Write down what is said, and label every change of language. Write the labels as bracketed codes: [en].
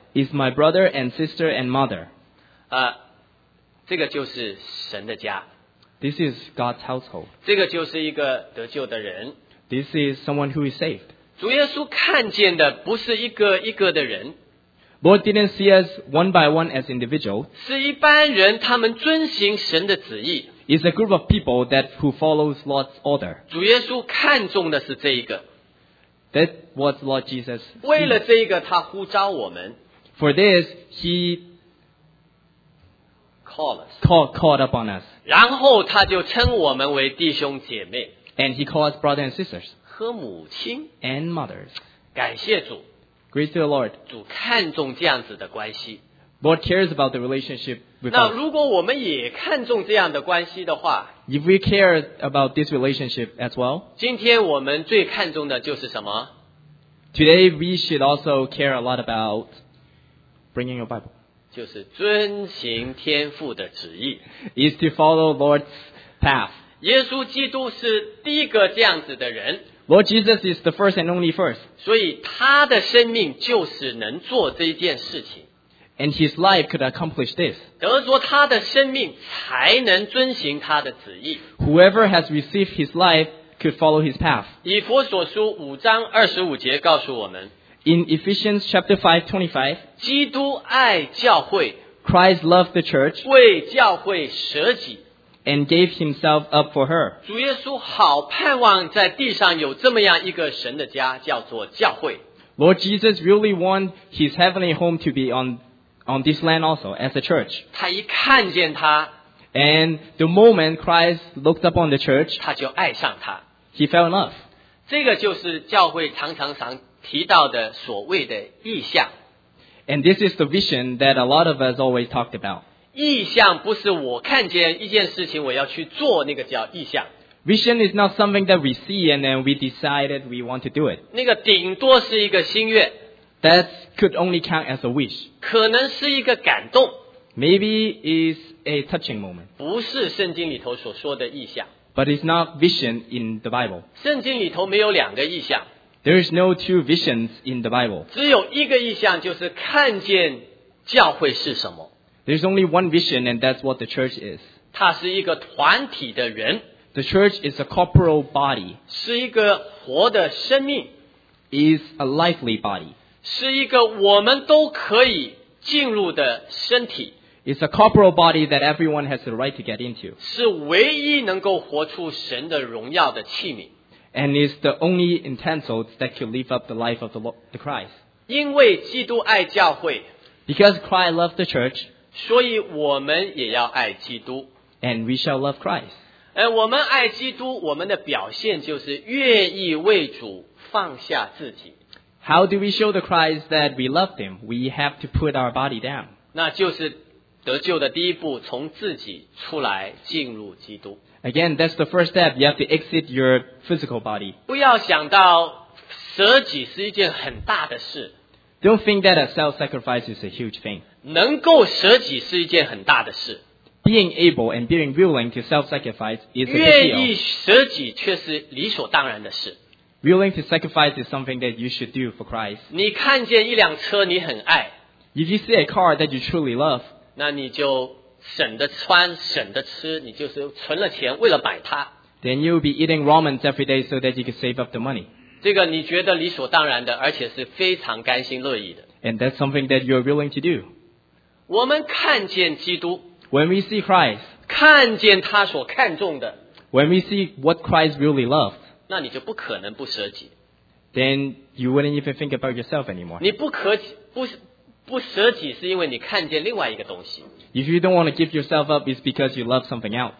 [en] is my brother and sister and mother. [zh] 这个就是神的家。 [en] This is God's household. [zh] 这个就是一个得救的人。 [en] This is someone who is saved. [zh] 主耶稣看见的不是一个一个的人。 [en] Lord didn't see us one by one as individuals. [zh] 是一般人他们遵行神的旨意。 [en] It's a group of people that who follows Lord's order. [zh] 主耶稣看重的是这一个。 [en] That was Lord Jesus. [zh] 为了这一个他呼召我们。 [en] For this, he called upon us. [zh] 然后他就称我们为弟兄姐妹。 [en] And he called us brothers and sisters. [zh] 和母亲。 [en] And mothers. [zh] 感谢主。 [en] Grace to the Lord. [zh] 主看重这样子的关系。 [en] Lord cares about the relationship with us. [zh] 那如果我们也看重这样的关系的话, [en] If we care about this relationship as well, [zh] 今天我们最看重的就是什么? [en] Today we should also care a lot about bringing your Bible. [zh] 就是遵行天父的旨意。 [en] Is to follow Lord's path. [zh] 耶稣基督是第一个这样子的人。 [en] Lord Jesus is the first and only first. [zh] 所以他的生命就是能做这件事情。 [en] And his life could accomplish this. [zh] 得着他的生命才能遵行他的旨意。 [en] Whoever has received his life could follow his path. [zh] 以弗所书5章25节告诉我们, [en] In Ephesians 5:25, [zh] 基督爱教会, [en] Christ loved the church, [zh] 为教会舍己, [en] and gave himself up for her. [zh] 主耶稣好盼望在地上有这么样一个神的家叫做教会。 [en] Lord Jesus really wanted his heavenly home to be on this land also, as a church. [zh] 他一看见他, [en] and the moment Christ looked upon the church, [zh] 他就爱上他, [en] he fell in love. [zh] 这个就是教会常常提到的所谓的意象。 [en] And this is the vision that a lot of us always talked about. [zh] 意象不是我看见一件事情我要去做那个叫意象。 [en] Vision is not something that we see and then we decided we want to do it. [zh] 那个顶多是一个心愿。 [en] That could only count as a wish. [zh] 可能是一个感动。 [en] Maybe is a touching moment. [zh] 不是圣经里头所说的意象。 [en] But it's not vision in the Bible. [zh] 圣经里头没有两个意象。 [en] There is no two visions in the Bible. [zh] 只有一个意象就是看见教会是什么。 [en] There's only one vision and that's what the church is. [zh] 它是一个团体的人。 [en] The church is a corporal body. [zh] 是一个活的生命。 [en] Is a lively body. [zh] 是一个我们都可以进入的身体。 [en] It's a corporal body that everyone has the right to get into. [zh] 是唯一能够活出神的荣耀的器皿。 [en] And is the only utensils that could live up the life of the Christ. [zh] 因为基督爱教会。 [en] Because Christ loved the church. [zh] 所以我们也要爱基督。 [en] And we shall love Christ. [zh] 我们爱基督，我们的表现就是愿意为主放下自己。 [en] How do we show the Christ that we love him? We have to put our body down. [zh] 那就是得救的第一步，从自己出来进入基督。 [en] Again, that's the first step. You have to exit your physical body. [zh] 不要想到舍己是一件很大的事。 [en] Don't think that a self-sacrifice is a huge thing. [zh] 能够舍己是一件很大的事。 [en] Being able and being willing to self-sacrifice is a big deal. [zh] 愿意舍己却是理所当然的事。 [en] Willing to sacrifice is something that you should do for Christ. [zh] 你看见一辆车你很爱。 [en] If you see a car that you truly love, [zh] 那你就省得穿省得吃，你就是存了钱为了买它。 [en] Then you'll be eating ramen every day so that you can save up the money. [zh] 这个你觉得理所当然的，而且是非常甘心乐意的。 [en] And that's something that you're willing to do. [zh] 我们看见基督。 [en] When we see Christ, [zh] 看见他所看重的。 [en] When we see what Christ really loved, [zh] 那你就不可能不舍己。 [en] Then you wouldn't even think about yourself anymore. [zh] 你不舍己是因为你看见另外一个东西。 [en] If you don't want to give yourself up, it's because you love something else.